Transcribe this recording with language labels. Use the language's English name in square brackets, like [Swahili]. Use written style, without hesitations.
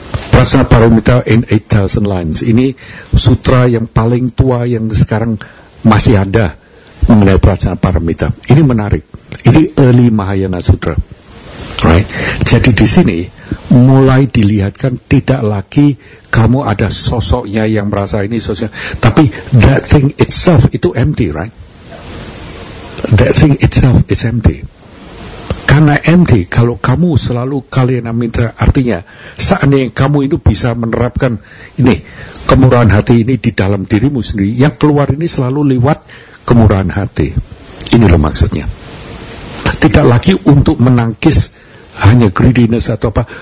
[Indonesian] Prasna Paramita in 8000 lines. Ini sutra yang paling tua yang sekarang masih ada mengenai Prasna Paramita. Ini menarik. Ini [English] early Mahayana Sutra. Right. [Indonesian] Jadi di sini mulai dilihatkan tidak lagi kamu ada sosoknya yang merasa ini sosok, tapi [English] that thing itself [Indonesian] itu empty, right? [English] That thing itself is empty. [Indonesian] Karena empty, kalau kamu selalu kalyana mitra, artinya seandainya kamu itu bisa menerapkan ini kemurahan hati ini di dalam dirimu sendiri, yang keluar ini selalu lewat kemurahan hati. Ini loh maksudnya. Tidak lagi untuk menangkis hanya greediness atau apa.